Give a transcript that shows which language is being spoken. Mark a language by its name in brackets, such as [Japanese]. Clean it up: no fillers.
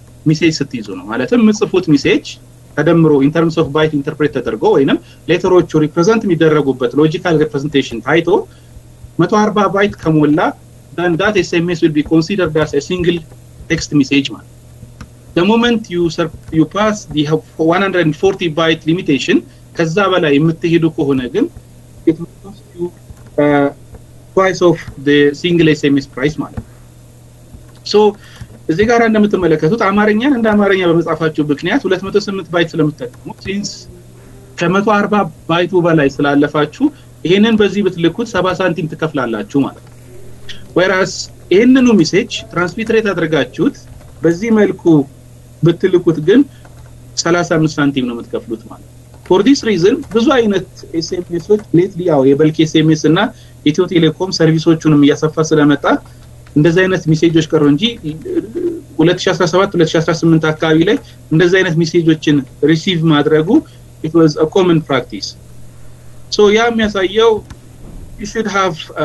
[Amharic] ሚሴጅ ስትይዙ ነው ማለትም ምጽፉት ሚሴጅ ተደምሮ [English] ኢን ተርምስ ኦፍ ባይት [Amharic] ኢንተርፕሬት ተደርጎ ወይንም ሌተሮቹ ሪፕረዘንት የሚደረጉበት ሎጂካል ሪፕረዘንቴሽን ታይቶ 140 ባይት ከሞላ [English] then that SMS will be considered as a single text message man. The moment you pass the 140 byte limitation [Amharic] ከዛ በላይ የምትሄዱ ከሆነ ግን [English] it will cost you twice of the single SMS price man. [Amharic] So እዚህ ጋር እንደምትመለከቱት አማርኛን እንደ አማርኛ በመጻፋችሁ ምክንያት 208 ባይት ስለምትጠቀሙ [English] since [Amharic] ከ140 ባይቱ በላይ ስላለፋችሁ ይሄንን በዚህ ብትልኩት 70 ሳንቲም ትከፍላላችሁ ማለት [English] whereas [Amharic] ይሄንን ሚሴጅ ትራንስሚት ሬት አድርጋችሁት በዚህ መልኩ ብትልኩት ግን 35 ሳንቲም ነው የምትከፍሉት ማለት [English] for this reason [Amharic] ብዙ አይነት SMSዎች [English] lately [Amharic] ያው የበልክ SMS እና ኢትዮ ቴሌኮም ሰርቪሶቹንም ያሳፋ ስለመጣ እንደዚህ አይነት ሚሴጆች ቀሩ እንጂ 2017 2018 አካባቢ ላይ እንደዚህ አይነት ሚሴጆችን ሪሲቭ ማድረጉ [English] it was a common practice [Amharic] so ያ የሚያሳየው [English] you should have